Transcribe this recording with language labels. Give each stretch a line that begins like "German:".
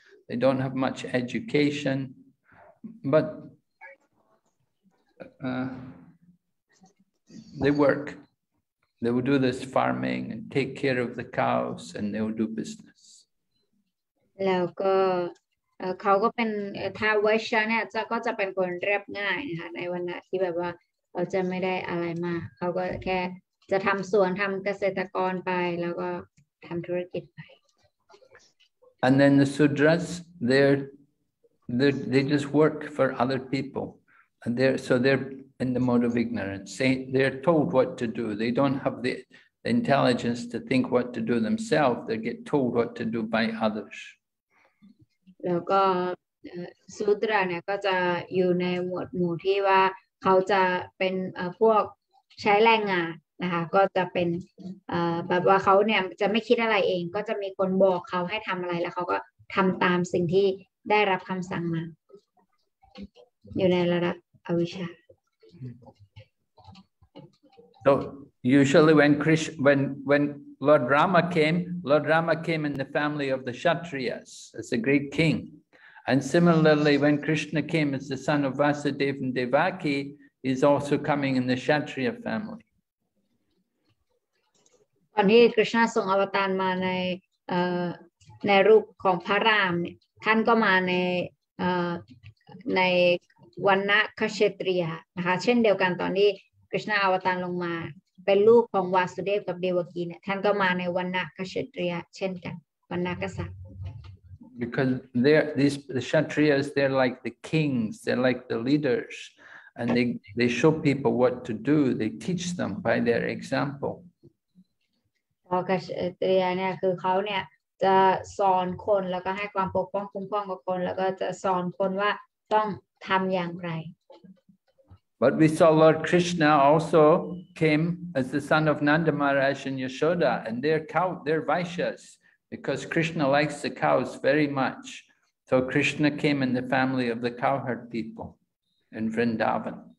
English: They don't have much education, but they work. They will do this farming and take care of the cows, and they will do business.
Thai: แล้วก็เขาก็เป็นถ้าไวชาเนี่ยจะก็จะเป็นคนเรียบง่ายนะคะในวันนั้นที่แบบว่าเขาจะไม่ได้อะไรมากเขาก็แค่จะทำสวนทำเกษตรกรไปแล้วก็ทำธุรกิจไป
English: And then the sudras they just work for other people and they're so they're in the mode of ignorance they're told what to do they don't have theintelligence to think what to do themselves, they get told what to do by others.
Thai: แล้วก็สูตรเนี่ยก็จะอยู่ในหมวดหมู่ที่ว่าเขาจะเป็นพวกใช้แรงงานนะคะก็จะเป็นแบบว่าเขาเนี่ยจะไม่คิดอะไรเองก็จะมีคนบอกเขาให้ทำอะไรแล้วเขาก็ทำตามสิ่งที่ได้รับคำสั่งมาอยู่ในระดับอวิชชา
English: So. Usually when Lord Rama came in the family of the Kshatriyas as a great king. And similarly, when Krishna came as the son of Vasudeva and Devaki, he's also coming in the Kshatriya family. When Krishna was sent to come in the form of Pa Ram, he came in the form of Vanna Kshatriya. The same thing when Krishna was sent to come in.
Thai: เป็นลูกของวาสุเดฟกับเดวกีเนี่ยท่านก็มาในวรรณะกษัตริย์เช่นกันวรรณะกษัตริย์
English: because the Kshatriyas they're like the kings they're like the leaders and they show people what to do they teach them by their example
Thai: พอกษัตริย์เนี่ยคือเขาเนี่ยจะสอนคนแล้วก็ให้ความปกป้องคุ้มครองกับคนแล้วก็จะสอนคนว่าต้องทำอย่างไร
English: But we saw Lord Krishna also came as the son of Nanda Maharaj and Yashoda, and their cow, their Vaishyas, because Krishna likes the cows very much. So Krishna came in the family of the cowherd people in Vrindavan.